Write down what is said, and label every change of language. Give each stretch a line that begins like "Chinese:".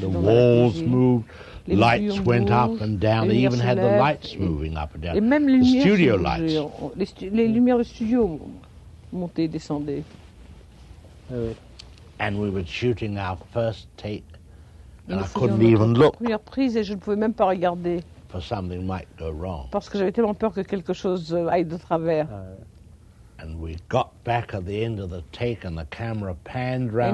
English: the walls moved.
French: Les
English: lights
French: bougent,
English: went up and down. They even had the lights moving up and down.
French: Et même les
English: the studio lights.
French: Les lumières du studio montaient, descendaient.
English: And we were shooting our first take, and I couldn't even look.
French: Première prise et je ne pouvais même pas regarder.
English: For something might go wrong.
French: Parce que j'avais tellement peur que quelque chose aille de travers.
English: And we got back at the end of the take, and the camera panned round.